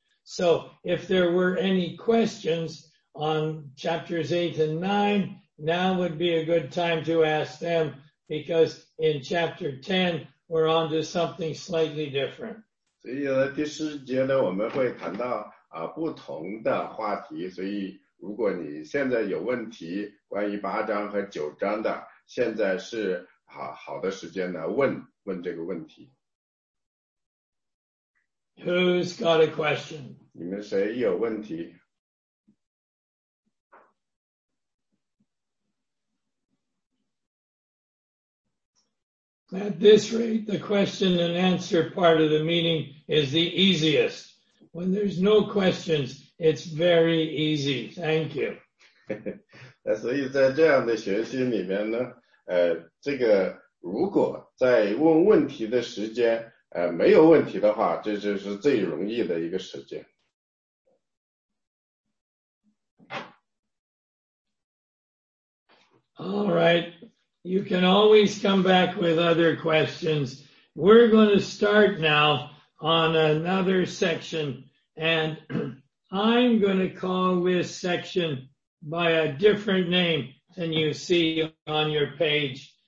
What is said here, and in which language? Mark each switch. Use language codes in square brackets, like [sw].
[en] So if there were any questions on chapters 8 and 9, now would be a good time to ask them, because in chapter 10, we're on to something slightly different. [zh] 所以呢，第十节呢，我们会谈到不同的话题，所以如果你现在有问题，关于八章和九章的，现在是 好的时间呢，问这个问题。 [en] Who's got a question? [zh] 你们谁有问题？ [en] At this rate, the question and answer part of the meeting is the easiest. When there's no questions, it's very easy. Thank you. [zh] 所以在这样的学习里面呢，这个。如果在问问题的时间，没有问题的话， 这就是最容易的一个时间。 [en] All right. You can always come back with other questions. We're going to start now on another section, and I'm going to call this section by a different name than you see on your page.